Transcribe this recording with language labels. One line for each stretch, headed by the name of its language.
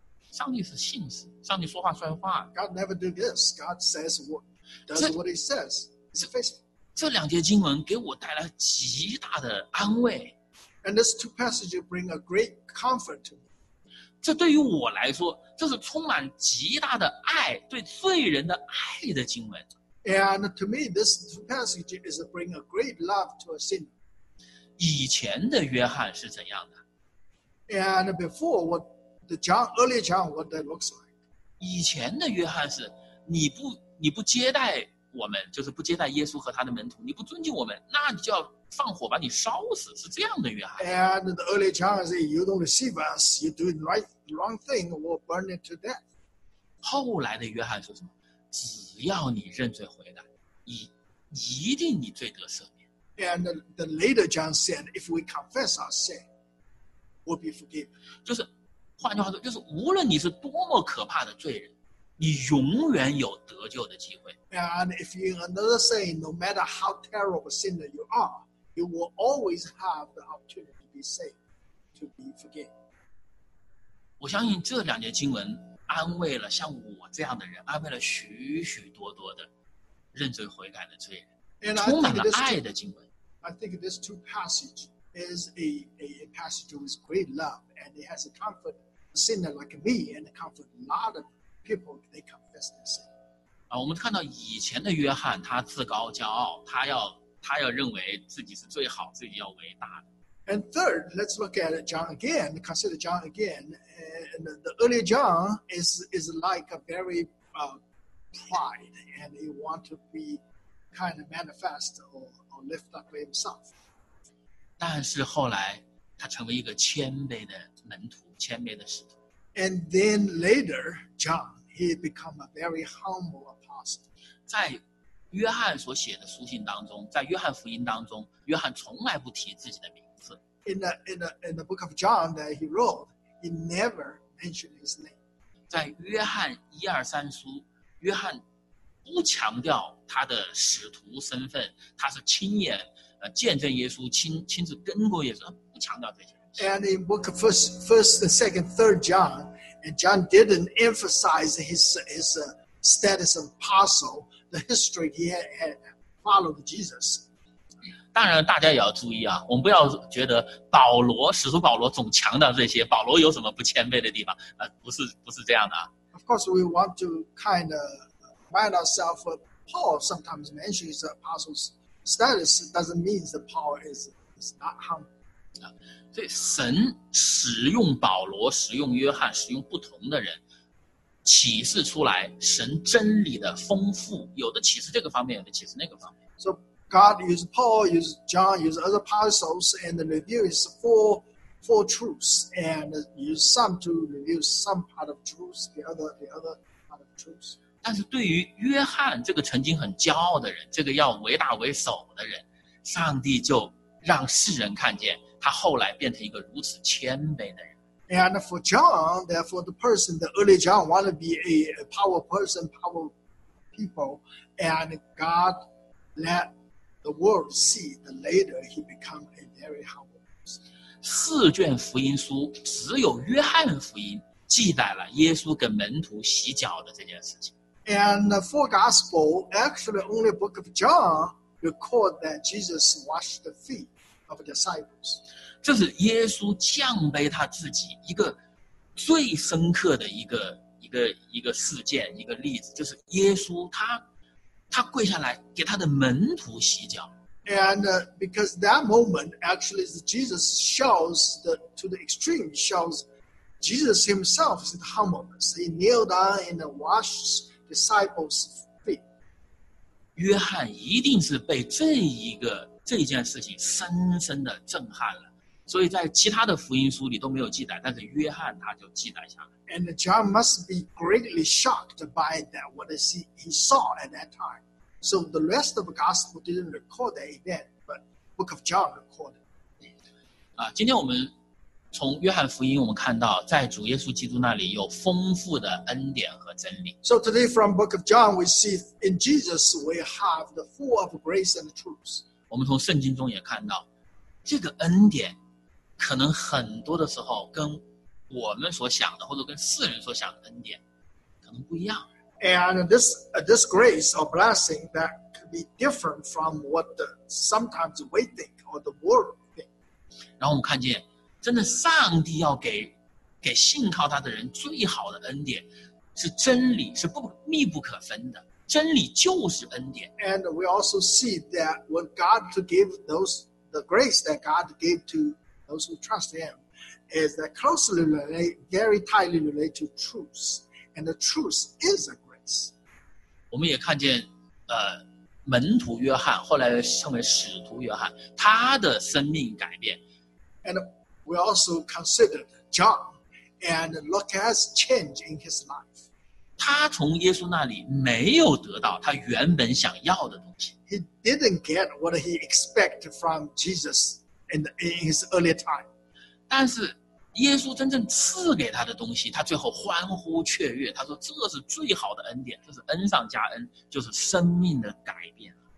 Chinese: 上帝是信实，上帝说话算话。
English: God never do this. God says what does what he says. He's faithful.
Chinese: 这两节经文给我带来极大的安慰。
English: And these two passages bring a great comfort to me.
Chinese: 这对于我来说，这是充满极大的爱，对罪人的爱的经文。
English: And to me, these two passages is bring a great love to a sinner.
Chinese: 以前的约翰是怎样的
English: ？And before what the John, early John, what that looks like?
Chinese: 以前的约翰是你不接待。我们就是不接待耶稣和他的门徒，你不尊敬我们，那你就要放火把你烧死，是这样的约翰。
English: And the early John say, "You don't receive us. You do the right wrong thing. We'll burn it to death."
Chinese: 后来的约翰说什么？只要你认罪悔改，一定你罪得赦免。
English: And the later John said, "If we confess our sin, we'll be forgiven."
Chinese: 就是换句话说，就是无论你是多么可怕的罪人，你永远有得救的机会。
English: And if you another saying, no matter how terrible a sinner you are, you will always have the opportunity to be saved, to be forgiven.
Chinese: 我相信这两节经文安慰了像我这样的人，安慰了许许多多的认罪悔改的罪人。充满了爱的经文。
English: I think this two passage is a passage with great love, and it has a comfort a sinner like me, and a comfort a lot of people if they confess their sin.
Chinese: 啊，我们看到以前的约翰，他自高骄傲，他要认为自己是最好，自己要伟大的。
English: And third, let's look at John again. Consider John again. And the earlier John is like a very pride, and he want to be kind of manifest or lift up himself.
Chinese: 但是后来他成为一个谦卑的门徒，谦卑的使徒。
English: And then later, John, he become a very humble apostle.
Chinese: 在约翰所写的书信当中，在约翰福音当中，约翰从来不提自己的名。
English: In the book of John that he wrote, he never mentioned his name.
Chinese: 在约翰一二三书，约翰不强调他的使徒身份，他是亲眼见证耶稣，亲自跟过耶稣，他不强调这些。
English: And in book of first and second third John, and John didn't emphasize his status of apostle, the history he had followed Jesus.
Chinese: 当然大家也要注意啊，我们不要觉得保罗使徒保罗总强调这些，保罗有什么不谦卑的地方，不是这样的。
English: Of course, we want to kind of remind ourselves Paul sometimes mentions the apostle's status doesn't mean that Paul is not humble.
Chinese: 所以神使用保罗，使用约翰，使用不同的人，启示出来神真理的丰富，有的启示这个方面，有的启示那个方面。
English: So,God used Paul, used John, used other apostles, and the review is four truths, and use some to review some part of truths, the other part of truths.
Chinese: 但是对于约翰这个曾经很骄傲的人，这个要为大为首的人，上帝就让世人看见他后来变成一个如此谦卑的人。
English: And for John, therefore the person, the early John want to be a power person, power people, and God let the world see the later he become a very humble person.
Chinese: 四卷福音书只有约翰福音记载了耶稣跟门徒洗脚的这件事情。
English: And the four gospel, actually only book of John, record that Jesus washed the feet of the disciples.
Chinese: 这是耶稣降卑他自己一个最深刻的一个事件，一个例子，就是耶稣他跪下来给他的门徒洗脚。
English: And because that moment actually Jesus shows to the extreme, shows Jesus himself is humbleness. He kneeled down and washed disciples' feet.
Chinese: 约翰一定是被这件事情深深的震撼了。所以在其他的福音书里都没有记载，但是约翰他就记载下来。
English: And John must be greatly shocked by that, what he saw at that time. So the rest of the gospel didn't record that event, but book of John recorded.
Chinese: 今天我们从约翰福音我们看到在主耶稣基督那里有丰富的恩典和真理。
English: So today from book of John, we see in Jesus, we have the full of grace and truth.
Chinese: 我们从圣经中也看到这个恩典可能很多的时候跟我们所想的或者跟世人所想的恩典可能不一样。
English: And this grace or blessing that could be different from what sometimes we think or the world think.
Chinese: 然后我们看见真的上帝要给信靠他的人最好的恩典是真理，是不密不可分的，真理就是恩典。
English: And we also see that when God to give those the grace that God gave to those who trust him,is that closely related, very tightly related to truth. And the truth is a grace.
Chinese: 我们也看见门徒约翰后来称为使徒约翰他的生命改变。
English: And we also considered John and look at his change in his life.
Chinese: 他从耶稣那里没有得到他原本想要的东西。
English: He didn't get what he expected from Jesus in his earlier time.
Chinese: 但是耶稣真正赐给他的东西，他最后欢呼雀跃，他说这是最好的恩典，这是恩上加恩，就是生命的改变。